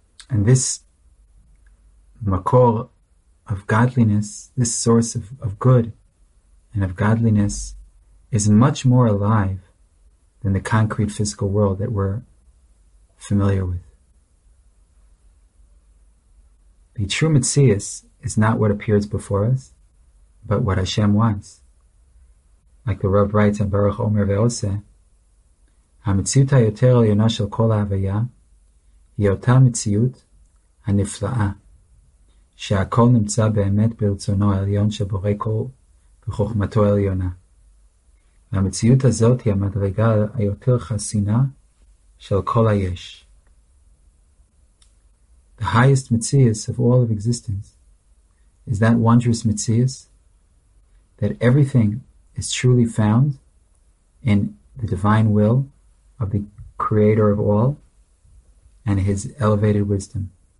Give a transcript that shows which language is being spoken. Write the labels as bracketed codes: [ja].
[en] And this makor of godliness, this source of good and of godliness, is much more alive than the concrete physical world that we're familiar with. The true Metzius is not what appears before us, but what Hashem wants. Like the Rav writes in Baruch Omer Ve'oseh, [he] המציאות היותר עליונה של כל ההוויה היא אותה מציאות הנפלאה שהכל נמצא באמת ברצונו העליון של בורא כל וחוכמתו העליונה. והמציאות הזאת היא המדרגה היותר חסינה של כל היש. [en] The highest Metzius of all of existence is that wondrous Metzius that everything is truly found in the divine will of the creator of all and his elevated wisdom.